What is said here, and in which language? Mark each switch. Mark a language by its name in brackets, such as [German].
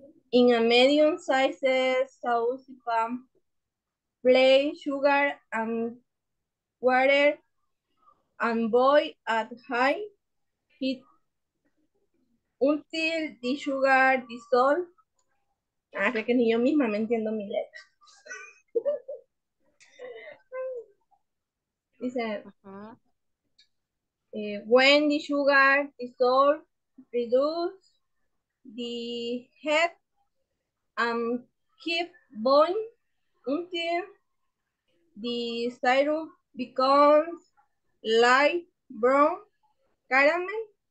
[English] In a medium size sauce pan, place sugar and water and boil at high heat until the sugar dissolves. [Spanish] Ah, creo que ni yo misma me entiendo mi letra. [English] Dice, when the sugar dissolves, reduce the heat and keep boiling until the syrup becomes light brown caramel.